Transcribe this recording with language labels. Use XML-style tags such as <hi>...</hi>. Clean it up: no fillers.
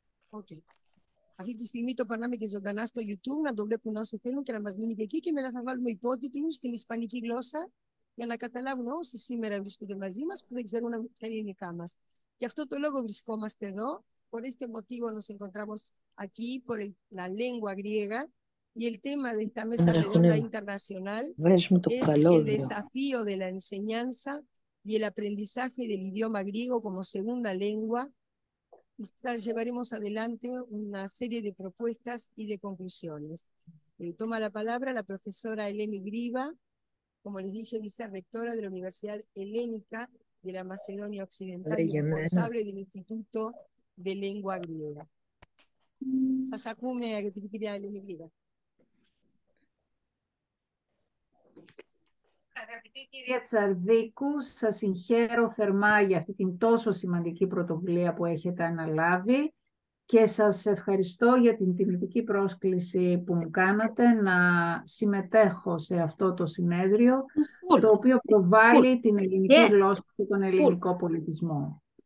<en>Okay.</en> <el>Αυτή τη στιγμή το περνάμε και ζωντανά στο YouTube, να το βλέπουν όσοι θέλουν και να μας μείνετε εκεί και μετά θα βάλουμε υπότιτλους στην ισπανική γλώσσα, για να καταλάβουν όσοι σήμερα βρίσκονται μαζί μας που δεν ξέρουν τα ελληνικά μας. Γι' αυτό το λόγο βρισκόμαστε εδώ.</el> <es>Por este motivo nos encontramos aquí, por la lengua griega. Y el tema de esta mesa redonda</es> <el>Έχουν</el> <es>internacional</es> <el>βρες μου το</el> <es>es el</es> <el>καλώδιο.</el> <es>desafío de la enseñanza y el aprendizaje del idioma griego como segunda lengua. Y llevaremos adelante una serie de propuestas y de conclusiones. Toma la palabra la profesora Eleni Griba, como les dije, vicerrectora de la Universidad Helénica de la Macedonia Occidental y responsable del Instituto de Lengua Griega.</es> <el>Σας ακούμε, αγαπητή κυρία Eleni Griba. Αγαπητή κυρία Τσαρδίκου, σας συγχαίρω θερμά για αυτή την τόσο σημαντική πρωτοβουλία που έχετε αναλάβει και σας ευχαριστώ για την τιμητική πρόσκληση που μου κάνατε να συμμετέχω σε αυτό το συνέδριο, το οποίο προβάλλει την ελληνική γλώσσα και τον ελληνικό πολιτισμό.</el>